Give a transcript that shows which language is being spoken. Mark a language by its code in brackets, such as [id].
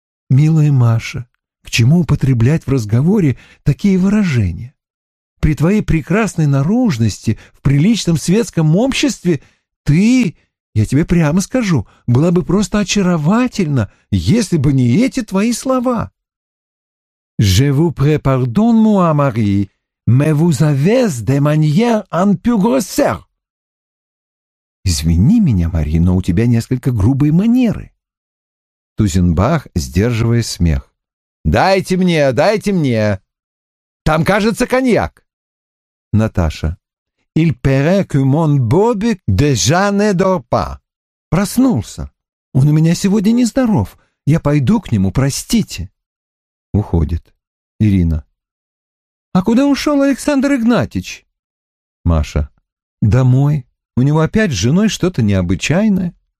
[ru] «Милая Маша, к чему употреблять в разговоре такие выражения? При твоей прекрасной наружности в приличном светском обществе ты, я тебе прямо скажу, была бы просто очаровательна, если бы не эти твои слова. [fr] Je vous pardonne, moi, Marie, mais vous avez des manières un peu grosses. [ru] Извини меня, Мари, но у тебя несколько грубые манеры». Тузенбах, сдерживая смех. «Дайте мне, дайте мне! Там, кажется, коньяк!» Наташа. [fr] «Il paraît que mon Bobic déjà ne dort pas. [ru] Проснулся. Он у меня сегодня нездоров. Я пойду к нему, простите». Уходит. Ирина. «А куда ушел Александр Игнатьич?» Маша. «Домой. У него опять с женой что-то необычайное».